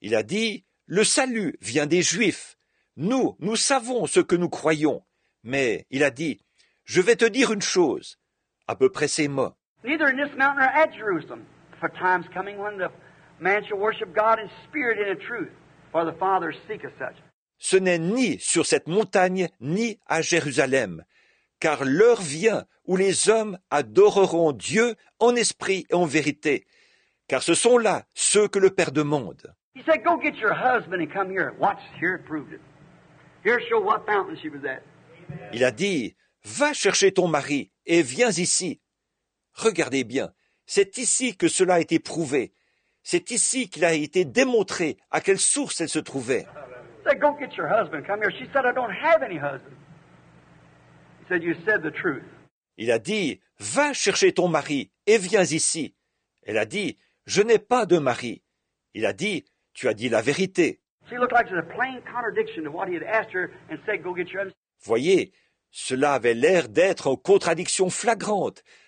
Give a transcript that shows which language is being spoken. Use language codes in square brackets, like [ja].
[fr] Il a dit, « Le salut vient des Juifs. Nous, nous savons ce que nous croyons. » Mais il a dit, « Je vais te dire une chose, à peu près ces mots. » [en] Neither in this mountain or at Jerusalem. For times coming when the man shall worship God in spirit and in truth, for the Father seeketh such. [fr] Ce n'est ni sur cette montagne ni à Jérusalem, car l'heure vient où les hommes adoreront Dieu en esprit et en vérité, car ce sont là ceux que le Père demande. [en] He said, "Go get your husband and come here. Watch here, prove it. Here, show what fountain she was at." Amen. [fr] Il a dit, "Va chercher ton mari et viens ici. Regardez bien." C'est ici que cela a été prouvé. C'est ici qu'il a été démontré à quelle source elle se trouvait. [en] Said, "Go get your husband. Come here." She said, "I don't have any husband." He said, "You said the truth." [fr] Il a dit, "Va chercher ton mari et viens ici." Elle a dit, "Je n'ai pas de mari." Il a dit, "Tu as dit la vérité." [en] She looked like it was a plain contradiction to what he had asked her and said, "Go get your husband." [fr] Voyez, cela avait l'air d'être en contradiction flagrante